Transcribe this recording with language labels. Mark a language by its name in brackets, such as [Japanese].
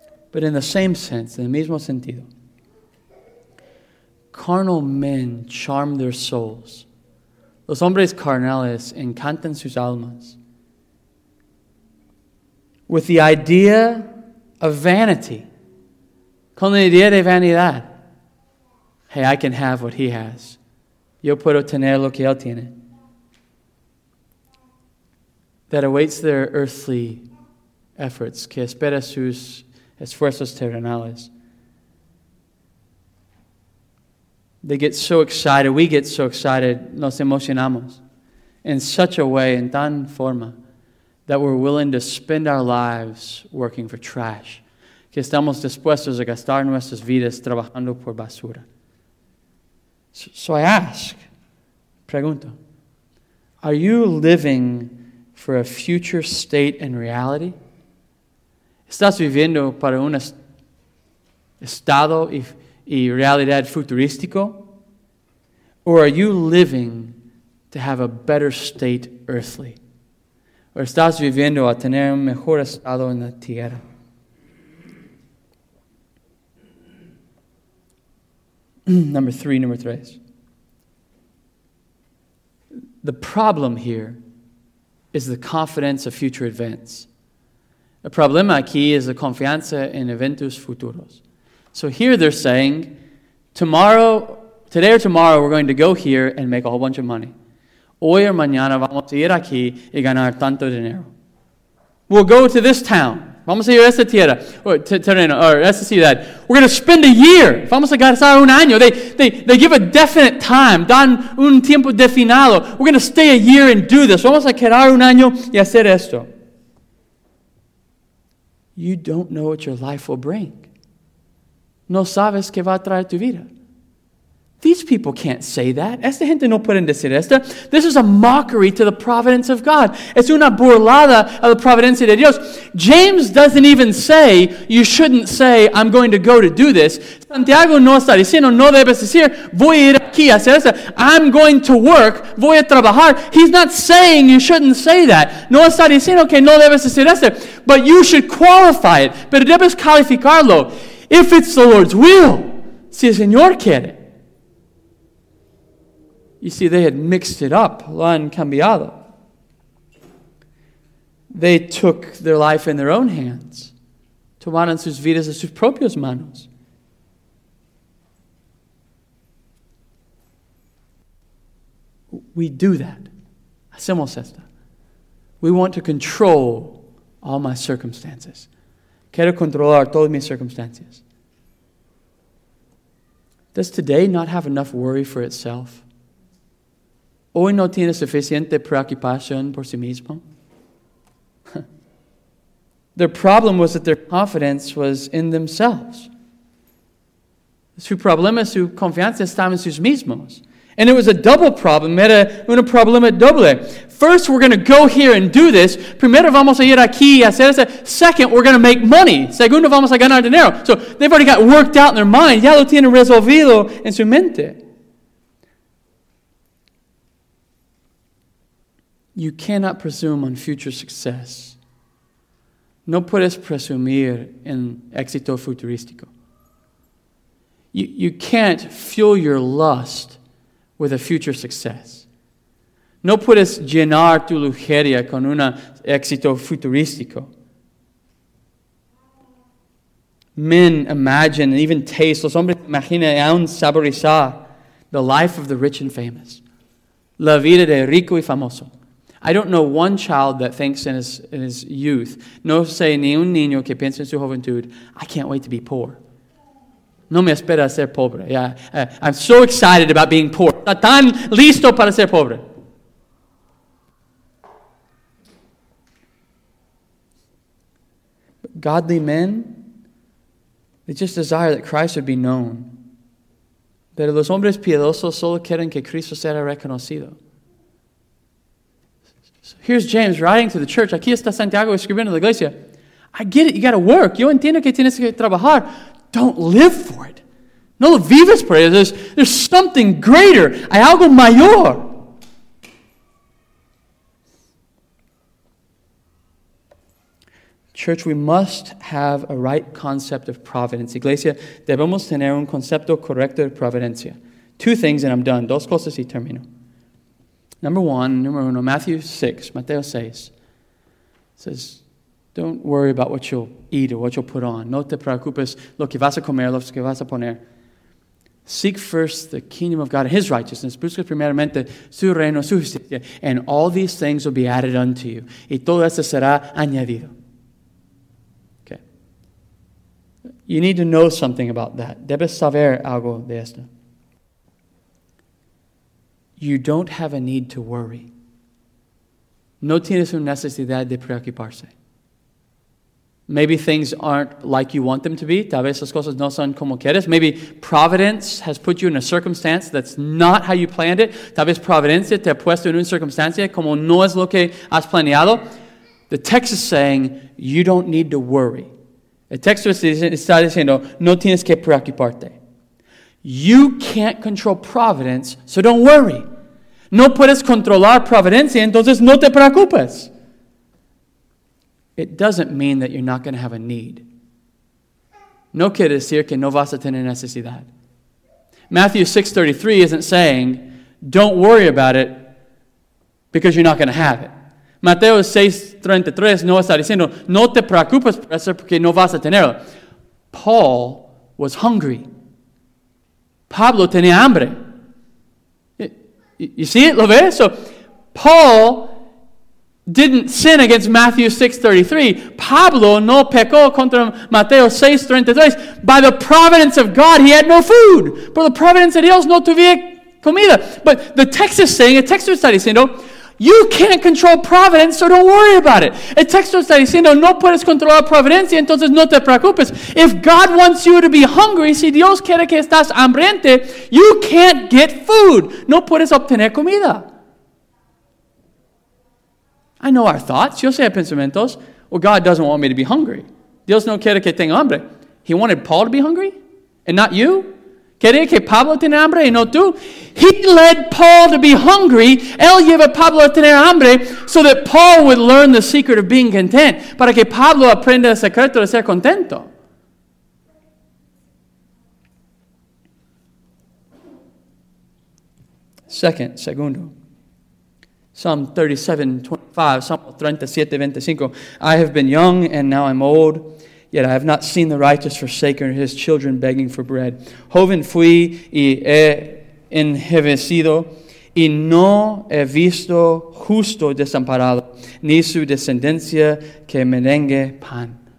[English] But in the same sense, in the [Spanish] mismo sentido, [English] carnal men charm their souls. [Spanish] Los hombres carnales encantan sus almas [English] with the idea of vanity. [Spanish] Con la idea de vanidad. [English] Hey, I can have what he has. [Spanish] Yo puedo tener lo que él tiene. [English] That awaits their earthly efforts. [Spanish] Que espera sus esfuerzos terrenales. [English] They get so excited, we get so excited, [Spanish] nos emocionamos [English] in such a way, in [Spanish] tan forma, [English] that we're willing to spend our lives working for trash. [Spanish] Que estamos dispuestos a gastar nuestras vidas trabajando por basura. [English] So I ask, [Spanish] pregunto, [English] are you living for a future state and reality? [Spanish] ¿Estás viviendo para un estado y realidad futurístico? [English] Or are you living to have a better state earthly? [Spanish] ¿Or estás viviendo a tener un mejor estado en la tierra? [English] Number three. The problem here is the confidence of future events. [Spanish] El problema aquí es la confianza en eventos futuros. [English] So here they're saying, today or tomorrow, we're going to go here and make a whole bunch of money. [Spanish] Hoy o mañana vamos a ir aquí y ganar tanto dinero. [English] We'll go to this town. [Spanish] Vamos a ir a esta tierra, or terreno, or esta ciudad. [English] We're going to spend a year. [Spanish] Vamos a gastar un año. [English] They give a definite time. [Spanish] Dan un tiempo definado. [English] We're going to stay a year and do this. [Spanish] Vamos a quedar un año y hacer esto. [English] You don't know what your life will bring. [Spanish] No sabes qué va a traer tu vida. [English] These people can't say that. [Spanish] Esta gente no pueden decir esto. [English] This is a mockery to the providence of God. [Spanish] Es una burlada a la providencia de Dios. [English] James doesn't even say, you shouldn't say, I'm going to go to do this. [Spanish] Santiago no está diciendo, no debes decir, voy a ir aquí a hacer esto. [English] I'm going to work, [Spanish] voy a trabajar. [English] He's not saying you shouldn't say that. [Spanish] No está diciendo que no debes decir esto. [English] But you should qualify it. [Spanish] Pero debes calificarlo. [English] If it's the Lord's will, [Spanish] si el Señor quiere. [English] You see, they had mixed it up. [Spanish] Lo han cambiado. [English] They took their life in their own hands. [Spanish] Tomaron sus vidas en sus propias manos. [English] We do that. [Spanish] Hacemos esto. [English] We want to control all my circumstances. [Spanish] Quiero controlar todas mis circunstancias. [English] Does today not have enough worry for itself? [Spanish] ¿Hoy no tiene suficiente preocupación por sí mismo? [English] Their problem was that their confidence was in themselves. [Spanish] Su problema, su confianza estaba en sus mismos. [English] And it was a double problem, [Spanish] era un problema doble. [English] First, we're going to go here and do this. [Spanish] Primero, vamos a ir aquí y hacer eso. [English] Second, we're going to make money. [Spanish] Segundo, vamos a ganar dinero. [English] So, they've already got worked out in their mind. [Spanish] Ya lo tienen resolvido en su mente. [English] You cannot presume on future success. [Spanish] No puedes presumir en éxito futurístico. [English] You can't fuel your lust with a future success. [Spanish] No puedes llenar tu lujuria con un éxito futurístico. [English] Men imagine and even taste, [Spanish] los hombres imaginan y aún saborizar [English] the life of the rich and famous. [Spanish] La vida de rico y famoso. [English] I don't know one child that thinks in his youth, [Spanish] no sé ni un niño que piensa en su juventud, [English] I can't wait to be poor. [Spanish] No me espera ser pobre. [English] Yeah, I'm so excited about being poor. [Spanish] Está tan listo para ser pobre. [English] But godly men, they just desire that Christ would be known. [Spanish] Pero los hombres piadosos solo quieren que Cristo sea reconocido. [English] Here's James writing to the church. [Spanish] Aquí está Santiago escribiendo a la iglesia. [English] I get it. You got to work. [Spanish] Yo entiendo que tienes que trabajar. [English] Don't live for it. [Spanish] No lo vives por eso. [English] There's something greater. [Spanish] Hay algo mayor. [English] Church, we must have a right concept of providence. [Spanish] Iglesia, debemos tener un concepto correcto de providencia. [English] Two things and I'm done. [Spanish] Dos cosas y termino. [English] Number uno, Mateo 6, says, don't worry about what you'll eat or what you'll put on. [Spanish] No te preocupes lo que vas a comer, lo que vas a poner. [English] Seek first the kingdom of God and His righteousness. [Spanish] Busca primeramente su reino, su justicia. [English] And all these things will be added unto you. [Spanish] Y todo esto será añadido. [English] Okay. You need to know something about that. [Spanish] Debes saber algo de esto. [English] You don't have a need to worry. [Spanish] No tienes una necesidad de preocuparse. [English] Maybe things aren't like you want them to be. [Spanish] Tal vez las cosas no son como quieres. [English] Maybe providence has put you in a circumstance that's not how you planned it. [Spanish] Tal vez providencia te ha puesto en una circunstancia como no es lo que has planeado. [English] The text is saying you don't need to worry. [Spanish] El texto está diciendo no tienes que preocuparte. [English] You can't control providence, so don't worry. [Spanish] No puedes controlar providencia, entonces no te preocupes. [English] It doesn't mean that you're not going to have a need. [Spanish] No quiere decir que no vas a tener necesidad. [English] Matthew 6:33 isn't saying, don't worry about it because you're not going to have it. [Spanish] Mateo 6:33 no está diciendo, no te preocupes por eso porque no vas a tenerlo. [English] Paul was hungry. [Spanish] Pablo tenía hambre. [English] You see it? [Spanish] Lo ves? [English] So Paul didn't sin against Matthew 6:33. [Spanish] Pablo no pecó contra Mateo 6:33. [English] By the providence of God, he had no food. [Spanish] Por la providencia de Dios, no tuvía comida. [English] But the text is saying, You can't control providence, so don't worry about it. [Spanish] El texto está diciendo, no puedes controlar providencia, entonces no te preocupes. [English] If God wants you to be hungry, [Spanish] si Dios quiere que estás hambriente, [English] you can't get food. [Spanish] No puedes obtener comida. [English] I know our thoughts. [Spanish] Yo sé pensamientos. [English] Well, God doesn't want me to be hungry. [Spanish] Dios no quiere que tenga hambre. [English] He wanted Paul to be hungry and not you. [Spanish] ¿Quería que Pablo tenga hambre y no tú? [English] He led Paul to be hungry. [Spanish] Él lleva a Pablo a tener hambre [English] so that Paul would learn the secret of being content. [Spanish] Para que Pablo aprenda el secreto de ser contento. Segundo. Psalm 37:25. [English] I have been young and now I'm old, yet I have not seen the righteous forsaken or his children begging for bread. [Spanish] Joven fui y he envejecido, y no he visto justo desamparado, ni su descendencia que merengue pan.